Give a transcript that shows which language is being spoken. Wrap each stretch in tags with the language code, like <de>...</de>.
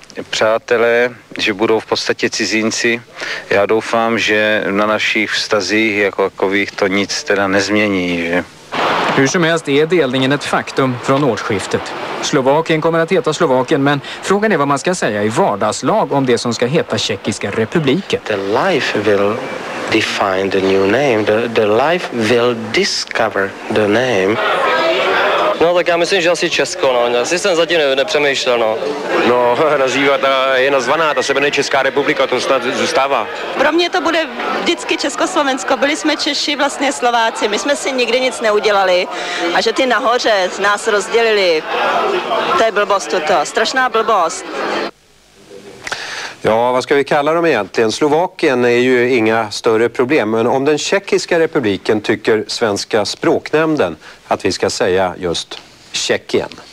<cs>Přátelé, že budou v podstatě cizinci. Já doufám, že na našich vztazích jako takových to nic teda nezmění, že.</cs> <sv>Hur som helst är delningen ett faktum från årsskiftet. Slovakien kommer att heta Slovakien, men frågan är vad man ska säga i vardagslag om det som ska heta Tjeckiska republiken.</sv> <en>The life will define the new name. The life will discover the name.</en> <cs>No tak já myslím, že asi Česko, no. Asi jsem zatím nepřemýšlel, no. No, nazývat je nazvaná, ta sebe Česká republika, to snad zůstává. Pro mě to bude vždycky Československo. Byli jsme Češi, vlastně Slováci. My jsme si nikdy nic neudělali. A že ty nahoře z nás rozdělili, to je blbost tuto. Strašná blbost.</cs> <sv>Ja, vad ska vi kalla dem egentligen? Slovakien är ju inga större problem, men om den tjeckiska republiken tycker svenska språknämnden att vi ska säga just Tjeckien.</sv>